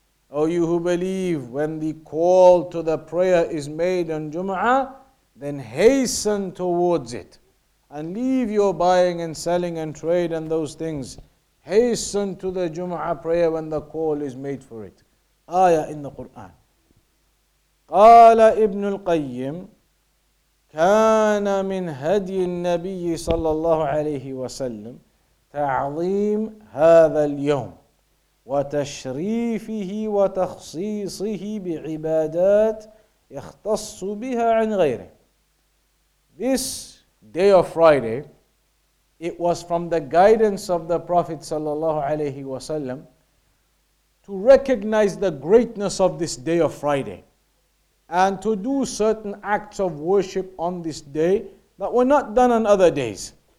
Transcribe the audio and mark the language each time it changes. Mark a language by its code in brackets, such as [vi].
[en] O you who believe, when the call to the prayer is made on Jum'ah, then hasten towards it. And leave your buying and selling and trade and those things. Hasten to the Jum'ah prayer when the call is made for it. Ayah in the Qur'an. [ar] قَالَ إِبْنُ الْقَيِّمِ كان من هدي النبي صلى الله عليه وسلم تعظيم هذا اليوم وتشريفه وتخصيصه بعبادات يختص بها عن غيره. [en] This day of Friday, it was from the guidance of the Prophet [ar] صلى الله عليه وسلم [en] to recognize the greatness of this day of Friday, and to do certain acts of worship on this day that were not done on other days.